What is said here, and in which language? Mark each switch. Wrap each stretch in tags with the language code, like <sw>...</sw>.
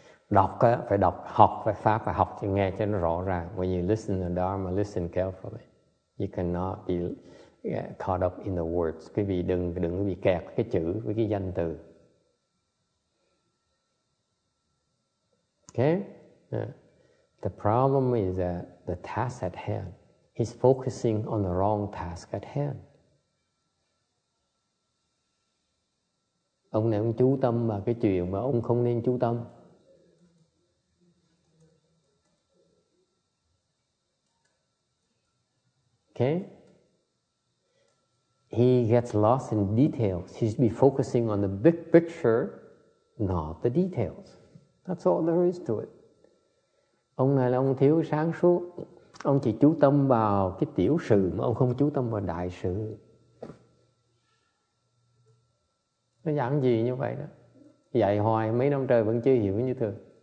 <vi>Đọc á, phải đọc, học phải pháp, phải học thì nghe cho nó rõ ràng.</vi> <en>When you listen to Dharma, listen carefully. You cannot be caught up in the words.</en> <vi>Quý vị đừng bị kẹt cái chữ với cái danh từ.</vi> <en>Okay, yeah. The problem is that the task at hand, he's focusing on the wrong task at hand.</en> <vi>Ông này ông chú tâm vào cái chuyện mà ông không nên chú tâm.</vi> <en>Okay, he gets lost in details. He should be focusing on the big picture, not the details. That's all there is to it.</en> <vi>Ông này là ông thiếu sáng suốt. Ông chỉ chú tâm vào cái tiểu sự mà ông không chú tâm vào đại sự. Nó giảng gì như vậy đó? Dạy hoài mấy năm trời vẫn chưa hiểu như thường.</vi>